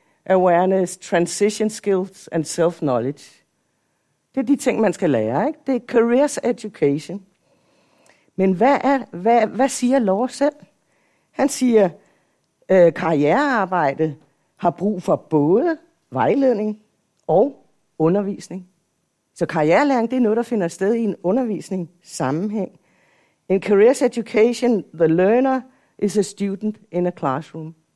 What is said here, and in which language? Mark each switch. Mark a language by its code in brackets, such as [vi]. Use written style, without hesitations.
[en] awareness, transition skills and self-knowledge. [da] Det er de ting, man skal lære, ikke? Det er careers education. Men hvad siger Law selv? Han siger, karrierearbejde har brug for både vejledning og undervisning. Så karrierelæring, det er noget, der finder sted i en undervisningssammenhæng. [en] In careers education, the learner is a student in a classroom.